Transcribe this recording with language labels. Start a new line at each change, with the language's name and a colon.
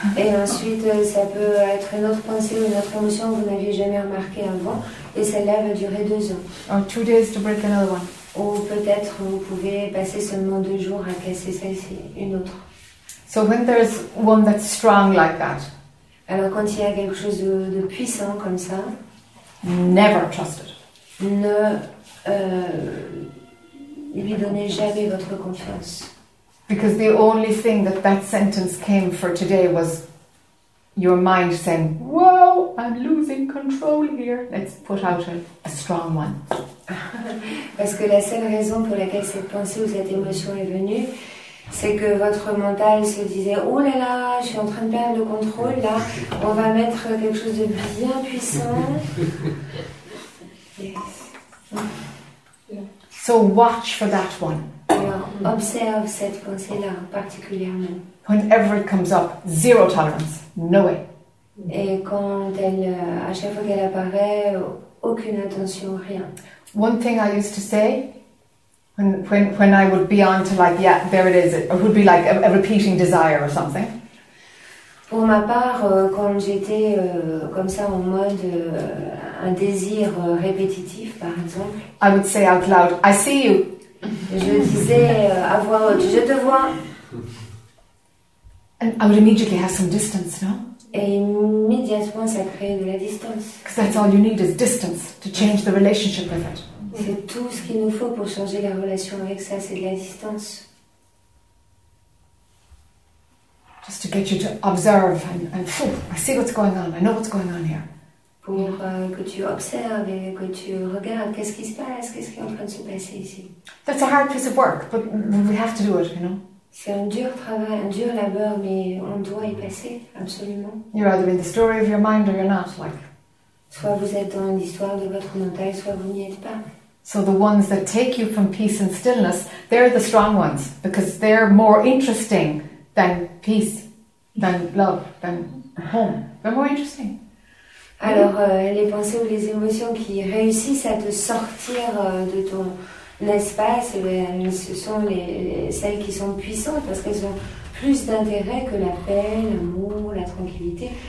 French: Et ensuite, ça peut être une autre pensée ou une autre émotion que vous n'aviez jamais remarqué avant, et celle-là va durer 2 ans.
English: Or 2 days to break another one.
French: Ou peut-être vous pouvez passer seulement 2 jours à casser celle-ci, une autre.
English: So when there's one that's strong like that,
French: alors quand il y a quelque chose de puissant comme ça,
English: never trust it.
French: Ne lui donnez jamais votre confiance.
English: Because the only thing that sentence came for today was your mind saying, whoa, I'm losing control here. Let's put out a strong one.
French: Parce que la seule raison pour laquelle cette pensée ou cette émotion est venue, c'est que votre mental se disait, oh là là, je suis en train de perdre le contrôle, là, on va mettre quelque chose de bien puissant.
English: Yes. So watch for that one.
French: Alors, observe cette pensée-là particulièrement.
English: Whenever it comes up, zero tolerance, no way.
French: Et quand elle, à chaque fois qu'elle apparaît, aucune attention, rien.
English: One thing I used to say, when I would be on to like, yeah, there it is, it would be like a repeating desire or something.
French: Pour ma part, quand j'étais comme ça en mode un désir répétitif, par exemple,
English: I would say out loud, I see you.
French: Je disais à voix haute, je te vois.
English: And I would immediately have some distance, no?
French: Et immédiatement, ça crée de la distance.
English: Because that's all you need is distance to change the relationship with it.
French: C'est tout ce qu'il nous faut pour changer la relation avec ça, c'est de la distance.
English: Just to get you to observe and phew, I see what's going on, I know what's going on here.
French: Pour que tu observes et que tu regardes qu'est-ce qui se passe, qu'est-ce qui est en train de se passer ici.
English: That's a hard piece of work, but we have to do it, you know?
French: C'est un dur travail, un dur labeur, mais on doit y passer, absolument.
English: You're either in the story of your mind or you're not, like.
French: Soit vous êtes dans l'histoire de votre mental, soit vous n'y êtes pas.
English: So the ones that take you from peace and stillness, they're the strong ones, because they're more interesting than peace, than love, than home. They're more interesting.
French: Alors, les pensées ou les émotions qui réussissent à te sortir de ton... l'espace, ce sont celles qui sont puissantes parce qu'elles ont plus d'intérêt que la paix, l'amour, la tranquillité.